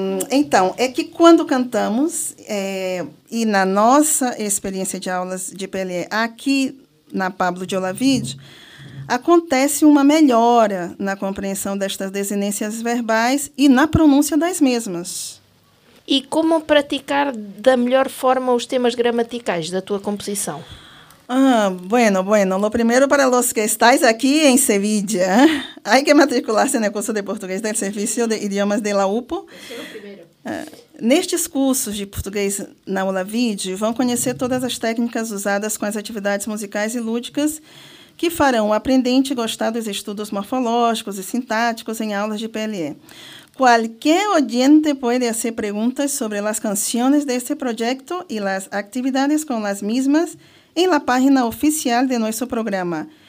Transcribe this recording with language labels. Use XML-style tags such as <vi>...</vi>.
<pt>Então, é que quando cantamos, e na nossa experiência de aulas de PLE aqui na Pablo de Olavide, acontece uma melhora na compreensão destas desinências verbais e na pronúncia das mesmas. E como praticar da melhor forma os temas gramaticais da tua composição?</pt> <es>Ah, bueno, lo primero para los que estáis aquí en Sevilla, hay que matricularse en el curso de portugués del Servicio de Idiomas de la UPO.</es> <pt>Nestes cursos de português na aula vídeo, vão conhecer todas as técnicas usadas com as atividades musicais e lúdicas que farão o aprendente gostar dos estudos morfológicos e sintáticos em aulas de PLE. Qualquer oyente pode fazer perguntas sobre as canções deste projeto e as atividades com as mesmas em la página oficial de nosso programa.</pt>